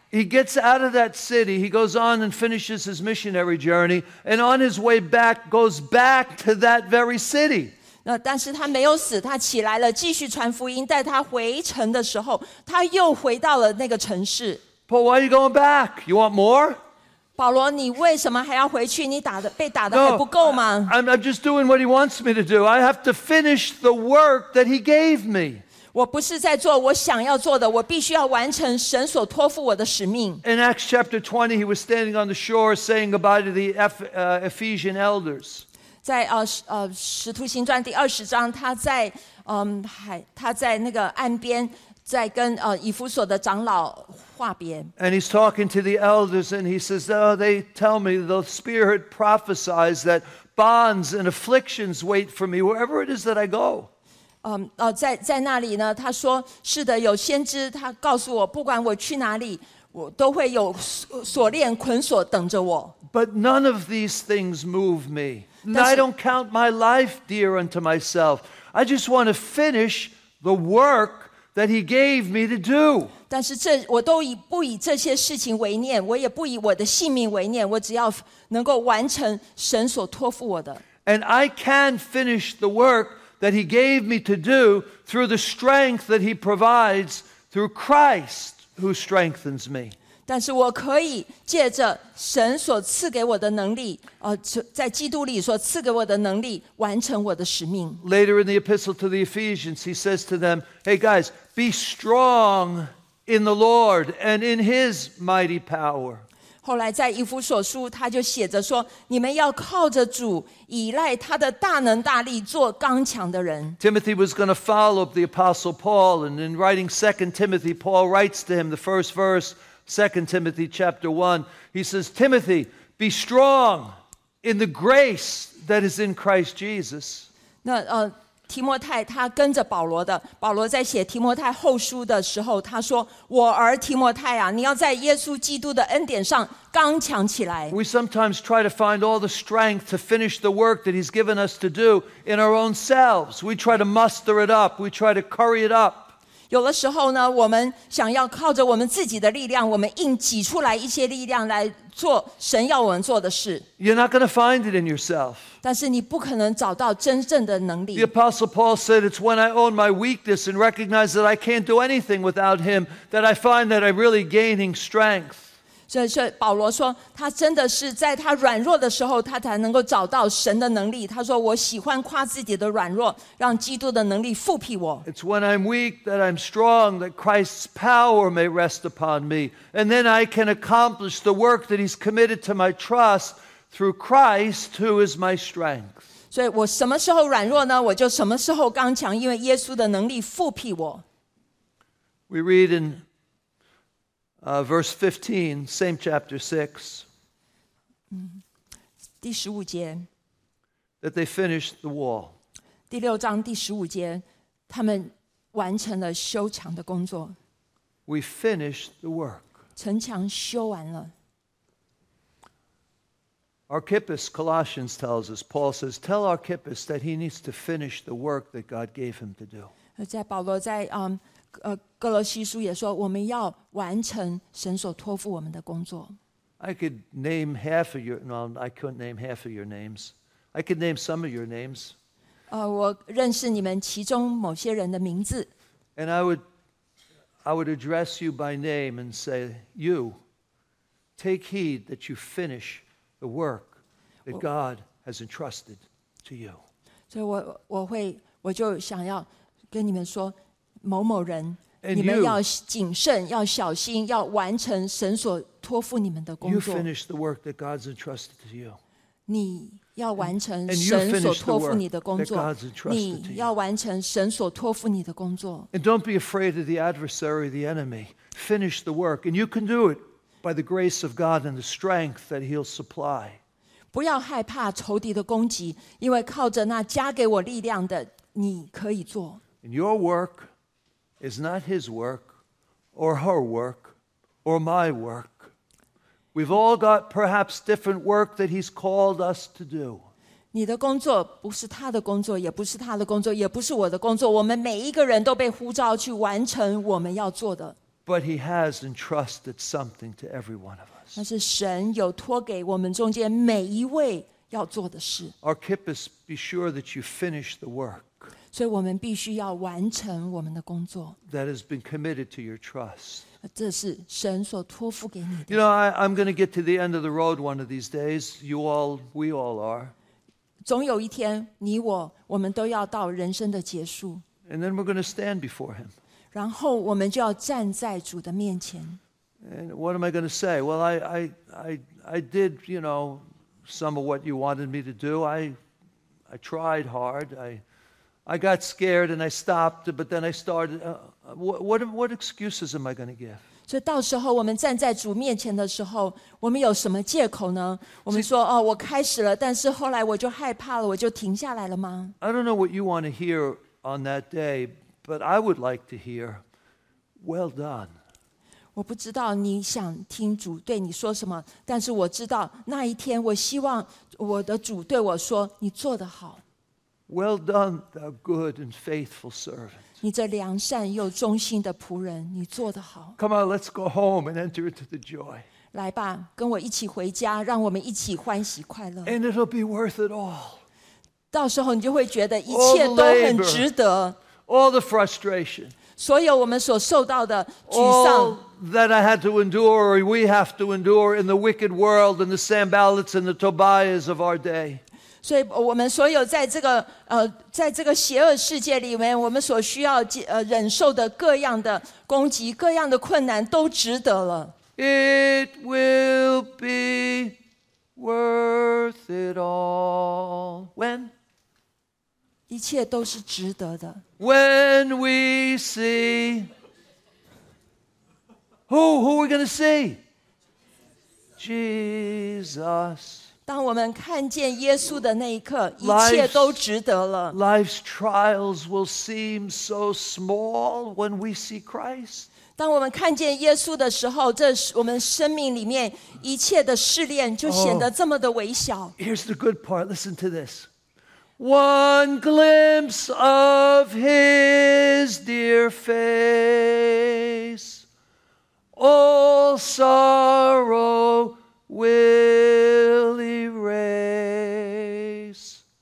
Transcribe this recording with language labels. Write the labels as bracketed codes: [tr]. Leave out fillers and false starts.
[en] He gets out of that city, he goes on and finishes his missionary journey, and on his way back, goes back to that very city. [zh] 但是他没有死，他起来了，继续传福音，带他回城的时候，他又回到了那个城市。 [en] But why are you going back? You want more? [zh] 保罗，你为什么还要回去？你打的被打的还不够吗 [en] no, I'm just doing what he wants me to do. I have to finish the work that he gave me. [zh] 我不是在做我想要做的，我必须要完成神所托付我的使命。 [en] In Acts chapter 20, he was standing on the shore saying goodbye to the Ephesian elders. [zh] 在使徒行传第二十章，他在那个岸边。在跟以弗所的长老话别。 [en] And he's talking to the elders and he says, oh, they tell me the Spirit prophesies that bonds and afflictions wait for me wherever it is that I go. [zh] 在那里呢，他说，是的，有先知，他告诉我，不管我去哪里，我都会有锁链捆锁等着我。 [en] But none of these things move me. I don't count my life dear unto myself. I just want to finish the work that he gave me to do. [zh] 但是这我都以不以这些事情为念，我也不以我的性命为念，我只要能够完成神所托付我的。 [en] And I can finish the work that he gave me to do through the strength that he provides through Christ who strengthens me. [zh] 但是我可以借着神所赐给我的能力，在基督里所赐给我的能力，完成我的使命。 [en] Later in the epistle to the Ephesians, he says to them, "Hey guys, be strong in the Lord and in His mighty power." [zh] 后来在以弗所书，他就写着说，你们要靠着主，依赖他的大能大力，做刚强的人。 [en] Timothy was going to follow up the apostle Paul, and in writing 2 Timothy, Paul writes to him the first verse. 2 Timothy chapter 1, he says, Timothy, be strong in the grace that is in Christ Jesus. [zh] 那提摩太他跟着保罗的，保罗在写提摩太后书的时候，他说，我儿提摩太啊，你要在耶稣基督的恩典上刚强起来。 [en] We sometimes try to find all the strength to finish the work that he's given us to do in our own selves. We try to muster it up, we try to curry it up. [zh] 有的时候呢，我们想要靠着我们自己的力量，我们硬挤出来一些力量来做神要我们做的事。 [en] You're not going to find it in yourself. [zh] 但是你不可能找到真正的能力。 [en] The Apostle Paul said, "It's when I own my weakness and recognize that I can't do anything without Him that I find that I'm really gaining strength." [zh] 所以保罗说，他真的是在他软弱的时候，他才能够找到神的能力。他说，我喜欢夸自己的软弱，让基督的能力覆庇我。 [en] It's when I'm weak that I'm strong, that Christ's power may rest upon me. And then I can accomplish the work that he's committed to my trust through Christ, who is my strength. [zh] 所以我什么时候软弱呢？我就什么时候刚强，因为耶稣的能力覆庇我。 [en] We read in... verse 15, same chapter 6. [zh] 第十五节 [en] That they finished the wall. [zh] 第六章第十五节，他们完成了修墙的工作。 [en] We finished the work. [zh] 城墙修完了。 [en] Archippus, Colossians tells us, Paul says, tell Archippus that he needs to finish the work that God gave him to do. [zh] 在保罗在哥罗西书也说，我们要完成神所托付我们的工作。 [en] I could name half of your, no, I couldn't name half of your names. I could name some of your names. [zh] 我认识你们其中某些人的名字。 [en] And I would address you by name and say, you, take heed that you finish the work that God has entrusted to you. [zh] 所以我就想要跟你们说。某某人 [en] and [zh] 你们要谨慎要小心要完成神所托付你们的工作 [en] You finish the work that God's entrusted to you [zh] 你要完成神所托付你的工作 你要完成神所托付你的工作 [en] And don't be afraid of the adversary, the enemy Finish the work And you can do it by the grace of God and the strength that he'll supply [zh] 不要害怕仇敌的攻击因为靠着那加给我力量的你可以做 [en] And your workIs not his work, or her work, or my work. We've all got perhaps different work that he's called us to do. [zh] 你的工作不是他的工作，也不是他的工作，也不是我的工作。我们每一个人都被呼召去完成我们要做的。 [en] But he has entrusted something to every one of us. [zh] 但是神有托给我们中间每一位要做的事。 [en] Archippus, be sure that you finish the work. [zh] 所以我们必须要完成我们的工作。 [en] That has been committed to your trust. [zh] 这是神所托付给你的。 [en] You know, I'm going to get to the end of the road one of these days. You all, we all are. [zh] 总有一天，你我，我们都要到人生的结束。 [en] And then we're going to stand before him. [zh] 然后我们就要站在主的面前。 [en] And what am I going to say? Well, I did, you know, some of what you wanted me to do. I tried hard. I got scared and I stopped, but then I started. What excuses am I going to give? [zh] 所以到时候我们站在主面前的时候，我们有什么借口呢？我们说哦，我开始了，但是后来我就害怕了，我就停下来了吗？ [en] I don't know what you want to hear on that day, but I would like to hear, "Well done." [zh] 我不知道你想听主对你说什么，但是我知道那一天，我希望我的主对我说，你做得好。 [en] Well done, thou good and faithful servant. [zh] 你这良善又忠心的仆人，你做得好。 [en] Come on, let's go home and enter into the joy. [zh] 来吧，跟我一起回家，让我们一起欢喜快乐。 [en] And it'll be worth it all. [zh] 到时候你就会觉得一切都很值得。 [en] All the frustration. [zh] 所有我们所受到的沮丧。 [en] All that I had to endure, or we have to endure in the wicked world, and the Sanballats and the Tobias of our day. [zh] 所以我们所有在这个在这个邪恶世界里面，我们所需要忍受的各样的攻击，各样的困难都值得了。 [en] It will be worth it all. When? [zh] 一切都是值得的。 [en] When we see. Who are we going to see? Jesus. [zh] 当我们看见耶稣的那一刻，一切都值得了。 [en] Life's trials will seem so small when we see Christ. [zh] 当我们看见耶稣的时候，这我们生命里面一切的试炼就显得这么的微小。 [en] Here's the good part. Listen to this. One glimpse of His dear face, all sorrow will erase.